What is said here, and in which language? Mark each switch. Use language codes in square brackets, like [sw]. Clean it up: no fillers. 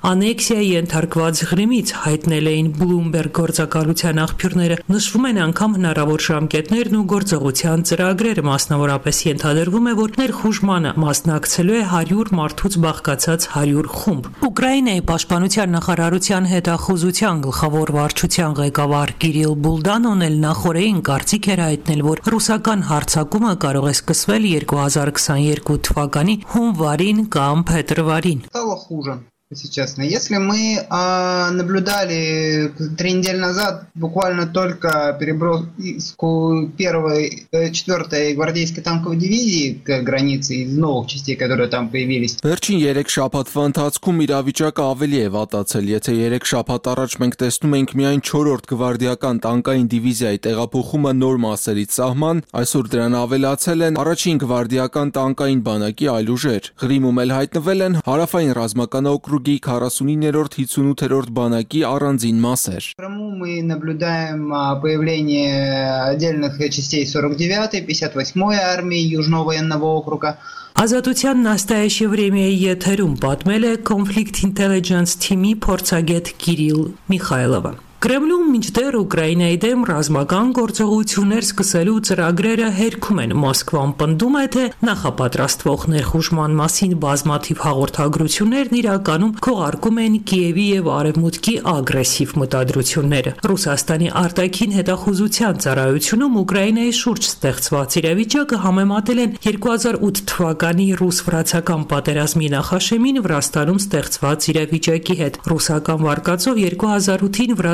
[hy] անեքսիայի ենթարկված Ղրիմից, հայտնել էին Bloomberg գործակալության աղբյուրները։ Նշվում են անգամ հնարավոր ժամկետներն ու գործողության ծրագրեր, մասնավորապես ենթադրվում է, որ ներխուժմանը մասնակցելու է 100 մարդուց բաղկացած 100 խումբ։ Ուկրաինայի պաշտպանության նախարարության հետախուզության գլխավոր վարչության ղեկավար Կիրիլ Բուլդանոն էլ նախորդին կարծիք էր հայտնել, որ Ռուսական հարձակումը կարող է սկսվել 2022 թվականի հունվարին կամ փետրվարին։ [ru] Если честно, если мы наблюдали 3 недели назад буквально только переброску первой, четвертой гвардейской танковой дивизии к границе из новых частей, которые там появились. [hy] Верчин 3 շաբաթվա ընթացքում իրավիճակը ավելի է վատացել, եթե 3 շաբաթ առաջ մենք տեսնում էինք միայն 4-րդ գվարդիական տանկային դիվիզիայի տեղափոխումը նոր մասերի սահման, այսօր դրան ավելացել են առաջին գվարդիական տանկային բանակի այլ ուժեր։ Ղրիմում էլ հայտնվել են հարավային ռազմական օկրուգ 49-րդ 58-րդ բանակի առանձին մասեր։ [ru] Мы наблюдаем появление отдельных частей 49-й, 58-й армии Южного военного округа. [hy] Ազատության նաստայեշև ռեմիայի եթերում պատմել է Conflict Intelligence Team-ի փորձագետ Կիրիլ Միխայլովը։ Կրեմլում մինչդեռ Ուկրաինայի դեմ ռազմական գործողություններ սկսելու ծրագրերը հերքում են։ Մոսկվան պնդում է, թե նախապատրաստվող ներխուժման մասին բազմաթիվ հաղորդագրություններն իրականում քողարկում են Կիևի և Արևմուտքի ագրեսիվ մտադրությունները։ Ռուսաստանի արտաքին հետախուզության ծառայությունում Ուկրաինայի շուրջ ստեղծված իրավիճակը համեմատել են 2008 թվականի ռուս-վրացական պատերազմի նախաշեմին Վրաստանում ստեղծված իրավիճակի հետ։ Ռուսական վարկածով 2008-ին